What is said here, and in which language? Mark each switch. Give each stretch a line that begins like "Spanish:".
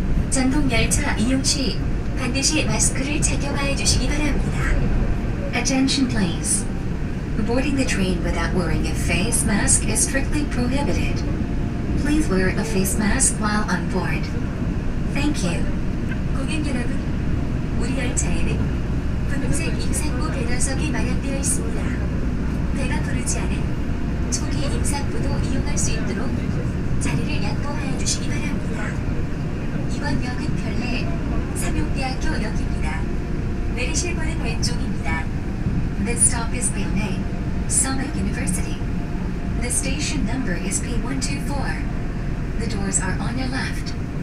Korean: 전동 열차 이용 시 반드시 마스크를 착용하여 주시기 바랍니다.
English: Attention please. Boarding the train without wearing a face mask is strictly prohibited. Please wear a face mask while on board. Thank you.
Korean: 고객 여러분, 우리 열차에는 분홍색 임산부 배려석이 마련되어 있습니다. 배가 부르지 않은 초기 임산부도 이용할 수 있도록 자리를 양보하여 주시기 바랍니다. 이번 역은 별내 삼용대학교 역입니다. 내리실 문은 왼쪽입니다.
English: This stop is Belnae Samyuk University. The station number is P124. The doors are on your left.